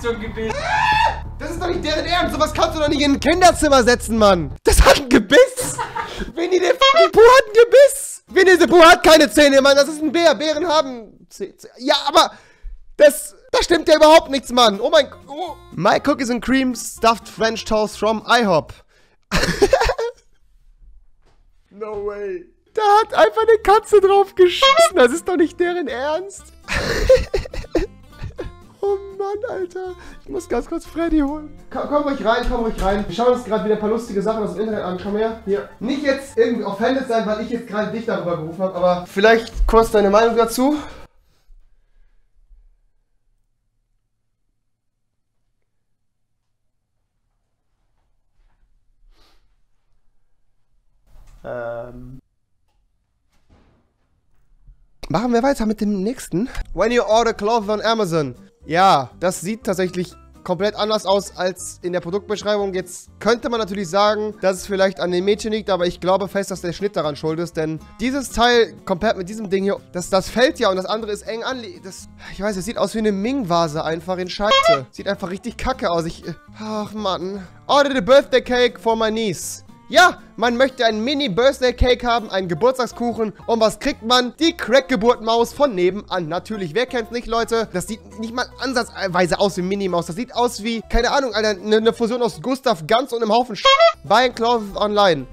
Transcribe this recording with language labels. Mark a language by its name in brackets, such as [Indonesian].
[German] Zum Gebiss. Ah! Das ist doch nicht deren Ernst. Sowas kannst du doch nicht in ein Kinderzimmer setzen, Mann. Das hat ein Gebiss. Winnie the fucking Pooh hat ein Gebiss. Winnie the Pooh hat keine Zähne, Mann, das ist ein Bär. Bären haben Zähne. Ja, aber das stimmt ja überhaupt nichts, Mann. Oh mein Gott. Oh. [English] My cookies and cream stuffed French toast from IHOP. No way. [German] Da hat einfach eine Katze drauf geschissen. Das ist doch nicht deren Ernst. Oh Mann, Alter. Ich muss ganz kurz Freddy holen. Komm ruhig rein. Wir schauen uns gerade wieder ein paar lustige Sachen aus dem Internet an. Komm her. Hier. Nicht jetzt irgendwie offended sein, weil ich jetzt gerade dich darüber gerufen habe, aber vielleicht kurz deine Meinung dazu. Machen wir weiter mit dem nächsten. [English] When you order clothes on Amazon. [German] Ja, das sieht tatsächlich komplett anders aus als in der Produktbeschreibung. Jetzt könnte man natürlich sagen, dass es vielleicht an dem Mädchen liegt, aber ich glaube fest, dass der Schnitt daran schuld ist, denn dieses Teil komplett mit diesem Ding hier, das fällt ja und das andere ist eng an. Das, ich weiß, es sieht aus wie eine Ming-Vase einfach in Scheiße. Sieht einfach richtig kacke aus. Ach Mann. [English] Order the birthday cake for my niece. [German] Ja, man möchte einen Mini-Birthday-Cake haben, einen Geburtstagskuchen. Und was kriegt man? Die Crack-Geburt-Maus von nebenan. Natürlich, wer kennt's nicht, Leute? Das sieht nicht mal ansatzweise aus wie Mini-Maus. Das sieht aus wie, keine Ahnung, Alter, eine Fusion aus Gustav Ganz und einem Haufen Sch*** bei Clothes Online.